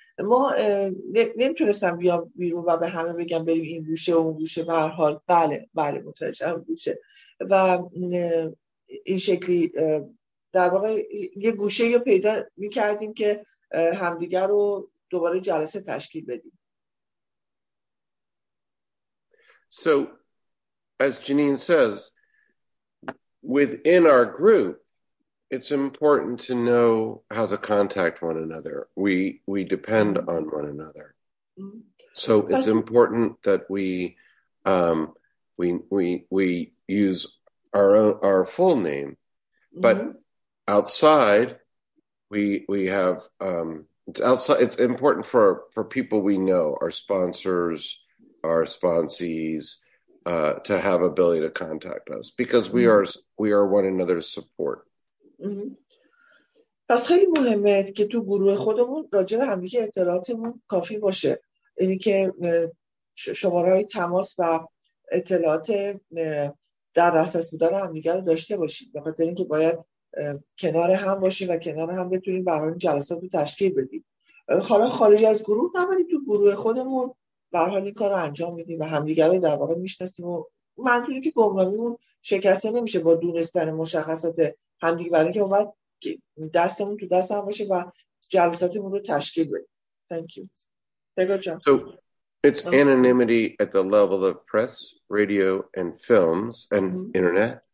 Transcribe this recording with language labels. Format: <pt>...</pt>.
<fa>ما نمیتونستم بیام بیرون و به همه بگم بریم این گوشه و اون گوشه. به هر حال بله بله متوجهم گوشه و این شکلی در واقع یه گوشه یا پیدا میکردیم که همدیگر رو دوباره جلسه تشکیل بدیم.</fa> <en>So as Janine says, within our group, it's important to know how to contact one another. We depend on one another. So it's important that we use our full name, but outside we have it's outside. It's important for people we know, our sponsors, our sponsees, to have ability to contact us because we are one another's support.</en> <fa>پس خیلی مهمه که تو گروه خودمون راجع به همدیگه اطلاعاتمون کافی باشه، یعنی که شماره های تماس و اطلاعات در دسترس بودن همدیگه رو داشته باشیم، به خاطر اینکه باید کنار هم باشیم و کنار هم بتونیم برای این جلسات رو تشکیل بدیم. حالا خارج از گروه نمیدیم، تو گروه خودمون به حال این کار رو انجام میدیم و همدیگه رو در واقع میشناسیم و منظوری که گمنامیمون شکسته نمیشه با دونستن مشخصات همدیگه، برای اینکه باید دستمون تو دست هم باشه و جلساتمون رو تشکیل بدیم.</fa> <en>Thank you.</en> <fa>بگو جان.</fa> <en>So it's anonymity at the level of press, radio and films and internet.</en>